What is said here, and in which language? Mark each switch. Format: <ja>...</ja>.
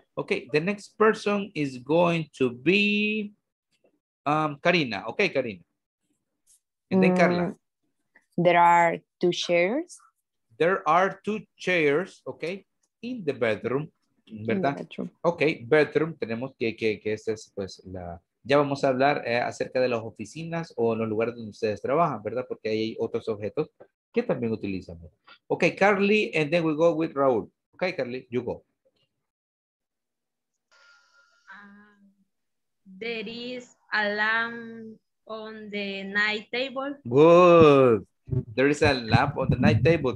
<en>Okay, the next person is going to be Karina. Okay, Karina. And then Carla. There are two chairs. There are two chairs, okay, in the bedroom.</en> <es>¿Verdad?</es> <en>In the bedroom. Okay, bedroom.</en> <es>Tenemos que esta es pues la... Ya vamos a hablar acerca de las oficinas o los lugares donde ustedes trabajan, ¿verdad? Porque ahí hay otros objetos. ¿Qué también utilizan?</es> <en>Ok, Carly, and then we go with Raúl. Ok, Carly, you go. There is a lamp on the night table. Good. There is a lamp on the night table.</en>